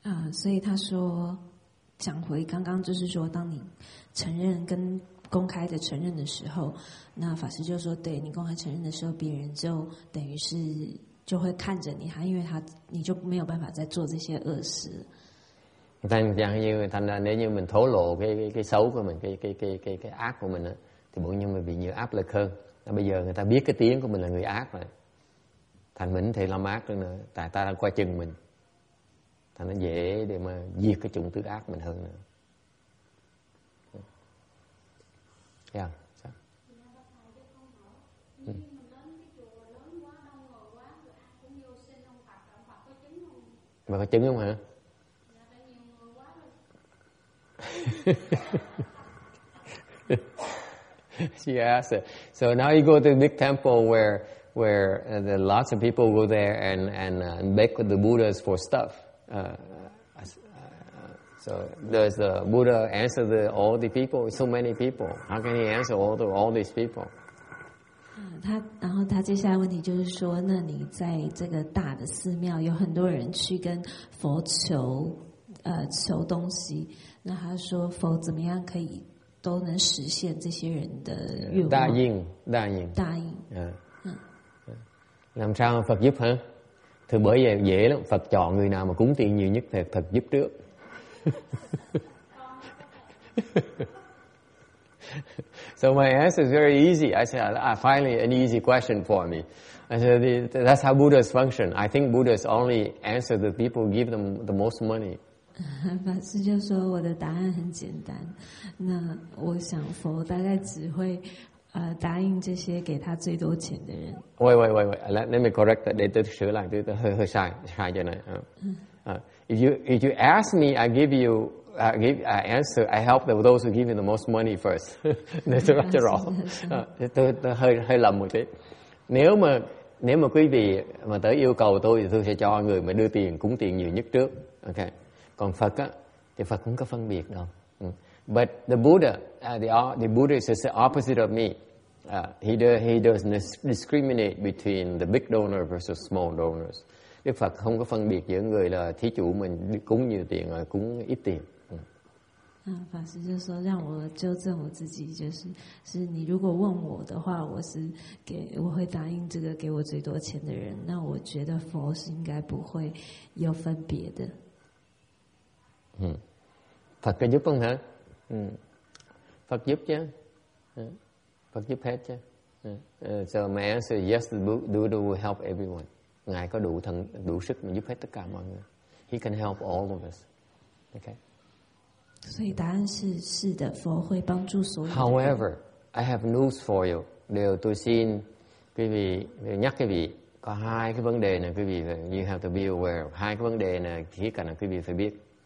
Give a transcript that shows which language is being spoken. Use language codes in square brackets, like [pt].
[en] So he said, [zh] 讲回刚刚就是说，当你承认跟公开的承认的时候，那法师就说，对你公开承认的时候，别人就等于是就会看着你，他因为他你就没有办法再做这些恶事。 [vi] Thành như, thành là nếu như mình thổ lộ cái xấu của mình, cái ác của mình đó, thì bỗng nhiên mình bị nhiều áp lực hơn. Và bây giờ người ta biết cái tiếng của mình là người ác rồi. Thành mình thì làm ác nữa, tại ta đang coi chừng mình. Thành nó dễ để mà diệt cái chủng tứ ác mình hơn nữa. Yeah. Mà có chứng không hả? [en] She asked it. So now you go to a big temple where there are lots of people go there and beg with the Buddhas for stuff. So does the Buddha answer the all the people? So many people. How can he answer all these people? [zh] 然后他接下来问题就是说，那你在这个大的寺庙有很多人去跟佛求求东西。那他说佛怎么样可以都能实现这些人的愿望？答应，答应，答应。嗯 [vi] 嗯，làm sao Phật giúp hả? Thì bởi vậy dễ lắm. Phật chọn người nào mà cúng tiền nhiều nhất thì Phật giúp trước. [en] So my answer is very easy. I said, finally an easy question for me. I said, that's how Buddhas function. I think Buddhas only answer the people give them the most money. 法师就说我的答案很简单，那我想佛大概只会答应这些给他最多钱的人。 Wait, let me correct that. They did sure like do the her shy you know. If you ask me, I give answer. I help those who give you the most money first. That's right, wrong. [vi] Tôi hơi lầm một tí. Nếu mà quý vị mà tới yêu cầu tôi thì tôi sẽ cho người mà đưa tiền cúng tiền nhiều nhất trước. Okay. Còn Phật á, thì Phật không có phân biệt đâu. [en] But the Buddha, the Buddha is just the opposite of me. He doesn't discriminate between the big donor versus small donors. [vi] Đức Phật không có phân biệt giữa người là thí chủ mình cúng nhiều tiền hoặc cúng ít tiền. [zh] 法师就说让我纠正我自己，就是是你如果问我的话，我是给我会答应这个给我最多钱的人。那我觉得佛是应该不会有分别的。 [vi] Phật có giúp không hả? Phật giúp chứ. Phật giúp hết chứ. [en] So my answer is yes, the Buddha will help everyone. [vi] Ngài có đủ thần, đủ sức mà giúp hết tất cả mọi người. [en] He can help all of us. Okay. [zh] 所以答案是是的，佛会帮助所有。 [en] However, I have news for you. [vi] Điều tôi xin quý vị, nhắc quý vị, có hai cái vấn đề này quý vị, [en] you have to be aware of. [vi] Hai cái vấn đề này, khía cạnh quý vị phải biết.